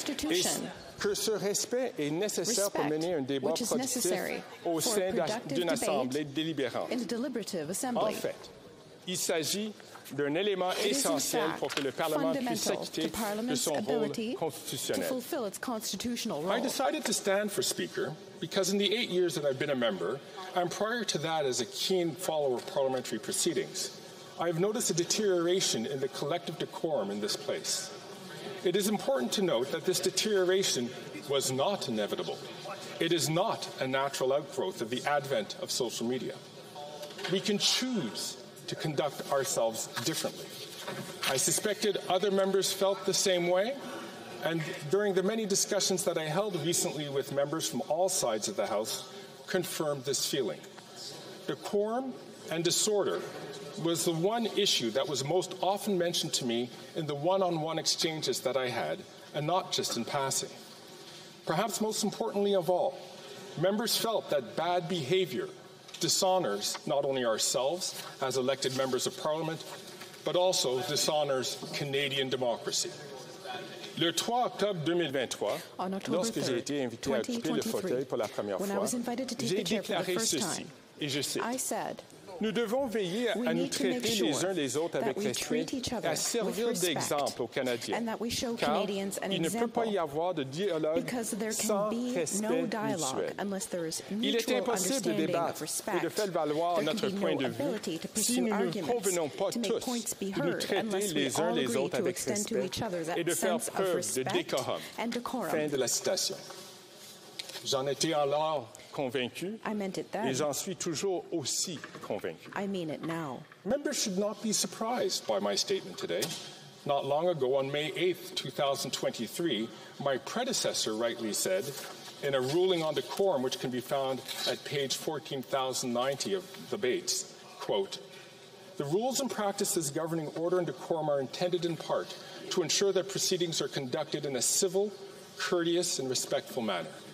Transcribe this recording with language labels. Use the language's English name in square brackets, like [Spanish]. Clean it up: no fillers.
[French] Et que ce respect est nécessaire pour mener un débat productif au sein d'une assemblée délibérante. En fait, il s'agit d'un élément essentiel pour que le Parlement puisse s'acquitter de son rôle constitutionnel. [English] I decided to stand for Speaker because in the 8 years that I've been a member, and prior to that as a keen follower of parliamentary proceedings, I have noticed a deterioration in the collective decorum in this place. It is important to note that this deterioration was not inevitable. It is not a natural outgrowth of the advent of social media. We can choose to conduct ourselves differently. I suspected other members felt the same way, and during the many discussions that I held recently with members from all sides of the House, confirmed this feeling. Decorum and disorder was the one issue that was most often mentioned to me in the one-on-one exchanges that I had, and not just in passing. Perhaps most importantly of all, members felt that bad behavior dishonors not only ourselves as elected members of Parliament, but also dishonors Canadian democracy. [French] Le 3 octobre 2023, lorsque j'ai été invité à occuper le fauteuil pour la première fois, j'ai déclaré ceci, et je cite, Nous devons veiller à nous traiter les uns les autres avec respect et à servir d'exemple aux Canadiens, car il ne peut pas y avoir de dialogue sans respect mutuel. Il est impossible de débattre et de faire valoir notre point de vue si nous ne convenons pas tous de nous traiter les uns les autres avec respect et de faire preuve de décorum. Fin de la citation. J'en étais alors convaincu, et j'en suis toujours aussi convaincu. [English] I mean it now. Members should not be surprised by my statement today. Not long ago, on May 8, 2023, my predecessor rightly said, in a ruling on decorum, which can be found at page 14,090 of the Bates, quote, "The rules and practices governing order and decorum are intended in part to ensure that proceedings are conducted in a civil, courteous, and respectful manner.